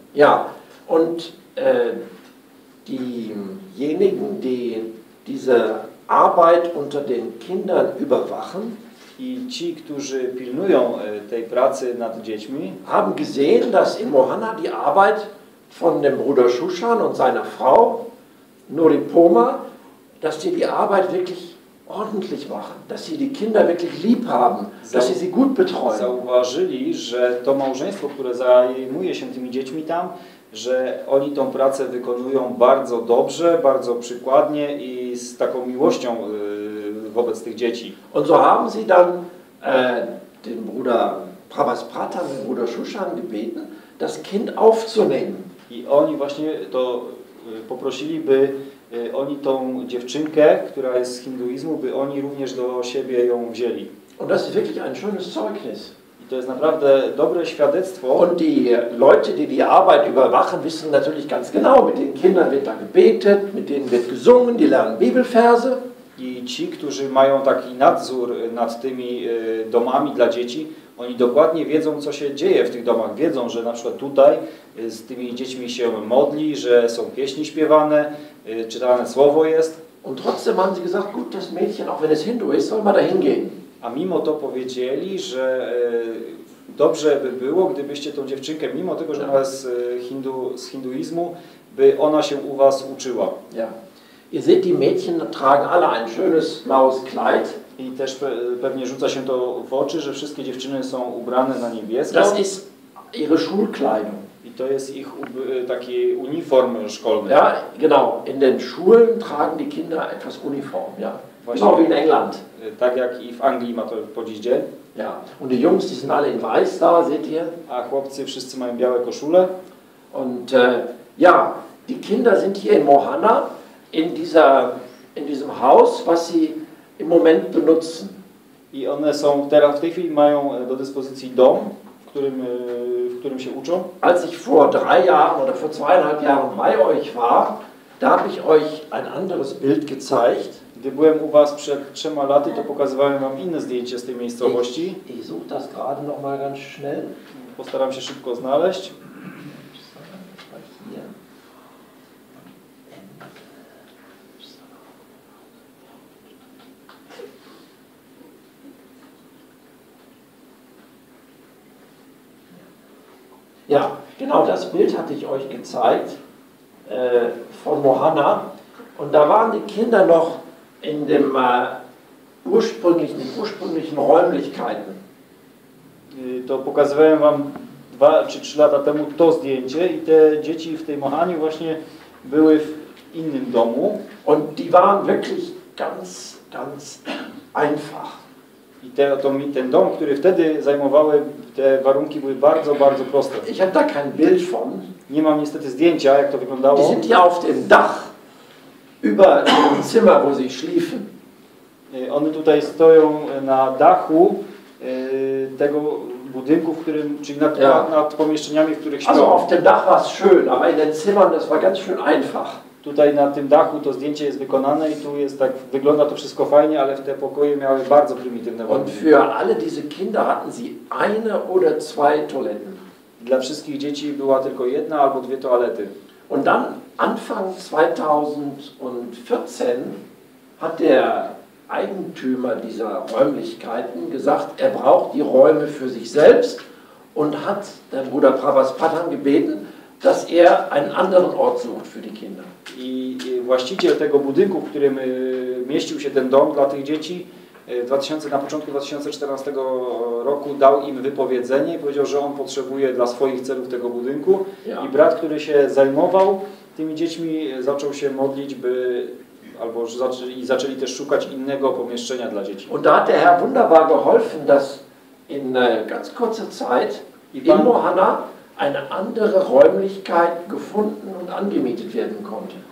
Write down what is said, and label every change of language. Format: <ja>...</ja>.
<de>Ja, und diejenigen, die diese Arbeit unter den Kindern überwachen,</de> <pl>i ci, którzy pilnują tej pracy nad dziećmi,</pl> <de>haben gesehen, dass in Mohana die Arbeit von dem Bruder Shushan und seiner Frau Noripoma, dass sie die Arbeit wirklich ordentlich machen, dass sie die Kinder wirklich lieb haben, dass sie sie gut betreuen.</de> <pl>Zauważyli, że to małżeństwo, które zajmuje się tymi dziećmi tam, że oni tą pracę wykonują bardzo dobrze, bardzo przykładnie i z taką miłością wobec tych dzieci.</pl> <de>Und so haben sie dann den Bruder Prabhasprata, den Bruder Shushan gebeten, das Kind aufzunehmen.</de> <pl>I oni właśnie to poprosili, by oni tą dziewczynkę, która jest z hinduizmu, by oni również do siebie ją wzięli.</pl> <de>Und das ist wirklich ein schönes Zeugnis.</de> <pl>I to jest naprawdę dobre świadectwo.</pl> <de>Und die Leute, die die Arbeit überwachen, wissen natürlich ganz genau, mit den Kindern wird da gebetet, mit denen wird gesungen, die lernen Bibelverse.</de> <pl>I ci, którzy mają taki nadzór nad tymi domami dla dzieci, oni dokładnie wiedzą, co się dzieje w tych domach. Wiedzą, że na przykład tutaj z tymi dziećmi się modli, że są pieśni śpiewane, czytane słowo jest.</pl> <de>Und trotzdem haben sie gesagt, gut, das Mädchen, auch wenn es Hindu ist, soll mal dahin gehen.</de> <pl>A mimo to powiedzieli, że dobrze by było, gdybyście tą dziewczynkę, mimo tego, że ona jest z hinduizmu, by ona się u was uczyła.</pl> <de>Ja. Ihr seht, die Mädchen tragen alle ein schönes blaues Kleid.</de> <pl>I też pewnie rzuca się to w oczy, że wszystkie dziewczyny są ubrane na niebiesko.</pl> <de>Das ist ihre Schulkleidung.</de> <pl>I to jest ich taki uniform szkolny.</pl> <de>Ja, genau. In den Schulen tragen die Kinder etwas uniform, ja.</de> <pl>Właśnie,</pl> <de>genau wie in England.</de> <pl>Tak jak i w Anglii ma to po dziś dzień.</pl> <de>Ja. Und die Jungs, die sind alle in weiß da, seht ihr?</de> <pl>A chłopcy wszyscy mają białe koszule.</pl> <de>Und ja, die Kinder sind hier in Mohana, in diesem Haus, was sie im Moment benutzen.</de> <pl>I one są teraz, w tej chwili mają do dyspozycji dom, w którym się uczą.</pl> <de>Als ich vor drei Jahren oder vor zweieinhalb Jahren bei euch war, da habe ich euch ein anderes Bild gezeigt.</de> <pl>Gdy byłem u was przed trzema laty, to pokazywałem wam inne zdjęcie z tej miejscowości.</pl> <de>Ich such das gerade noch mal ganz schnell.</de> <pl>Postaram się szybko znaleźć.</pl> <de>Ja, Genau das Bild hatte ich euch gezeigt von Mohanna. Und da waren die Kinder noch in dem ursprünglichen Räumlichkeiten.</de> <pl>To pokazywałem wam 2 czy 3 lata temu to zdjęcie i te dzieci w tej Mohanie właśnie były w innym domu.</pl> <de>Und die waren wirklich ganz, ganz einfach.</de> <pl>I ten dom, który wtedy zajmowały, te warunki były bardzo, bardzo proste.</pl> <de>Ich habe da kein Bild von.</de> <pl>Nie mam niestety zdjęcia, jak to wyglądało.</pl> <de>Die sind ja auf dem Dach über dem Zimmer, wo sie schliefen.</de> <pl>One tutaj stoją na dachu tego budynku, w którym, czyli nad, ja, nad pomieszczeniami, w których śpią.</pl> <de>Also auf dem Dach war es schön, aber in den Zimmern das war ganz schön einfach.</de> <pl>Tutaj na tym dachu to zdjęcie jest wykonane i tu jest tak, wygląda to wszystko fajnie, ale w te pokoje miały bardzo prymitywne warunki.</pl> <de>Und für alle diese Kinder hatten sie eine oder zwei Toiletten.</de> <pl>Dla wszystkich dzieci była tylko jedna albo dwie toalety.</pl> <de>Und dann Anfang 2014 hat der Eigentümer dieser Räumlichkeiten gesagt, er braucht die Räume für sich selbst und hat der Bruder Prabhaspatan gebeten, dass er einen anderen Ort sucht für die Kinder.</de> <pl>I właściciel tego budynku, w którym mieścił się ten dom dla tych dzieci, na początku 2014 roku dał im wypowiedzenie i powiedział, że on potrzebuje dla swoich celów tego budynku. Ja. I brat, który się zajmował tymi dziećmi, zaczął się modlić, by albo zaczęli też szukać innego pomieszczenia dla dzieci.</pl> <de>Und da hat der Herr wunderbar geholfen, dass in ganz kurzer Zeit in Mohanna eine andere Räumlichkeit gefunden und angemietet werden konnte.</de>